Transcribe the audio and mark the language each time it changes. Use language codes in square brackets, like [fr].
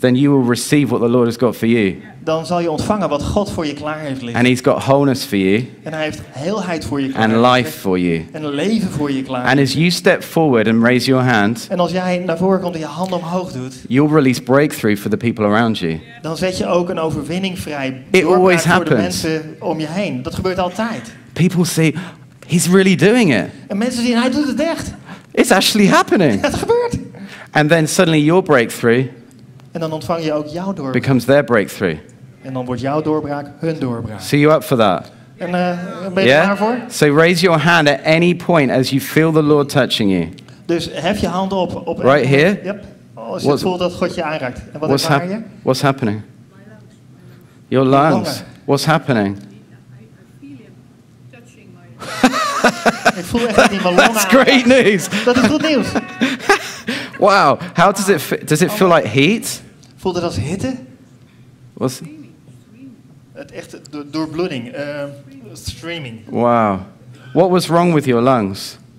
[en] then you will receive what the Lord has got for you. [nl] Dan zal je ontvangen wat God voor je klaar heeft liggen. [en] And he's got wholeness for you. [nl] En hij heeft heelheid voor je klaar. [en] And life for you. [nl] En leven voor je klaar. [en] And as you step forward and raise your hand, [nl] en als jij naar voren komt en je hand omhoog doet, [en] you'll release breakthrough for the people around you. [nl] Dan zet je ook een overwinning vrij. [en] It always happens. [nl] Voor de mensen om je heen. Dat gebeurt altijd. [en] People see he's really doing it. [nl] En mensen zien hij doet het echt. [en] It's actually happening. [nl] Het gebeurt. [en] And then suddenly your breakthrough. [nl] En dan ontvang je ook jouw doorbraak. [en] Becomes their breakthrough. [nl] En dan wordt jouw doorbraak hun doorbraak. [en] So you up for that? [nl] En ben je [en] yeah? [nl] Daarvoor? [en] So raise your hand at any point as you feel the Lord touching you. [nl] Dus hef je hand op. Op [en] right here? Yep. [nl] Als je voelt dat God je aanraakt. En wat ervaar je? [en] What's happening? Your lungs. What's happening? [nl] Ik voel echt dat die mijn longen. [en] That's great news. [nl] Dat is goed nieuws. [en] Wow, how does it feel? Does it feel like heat? [nl] Voelt het als hitte? Was het echt doorbloeding, streaming. [en] Wow. What was wrong with your lungs?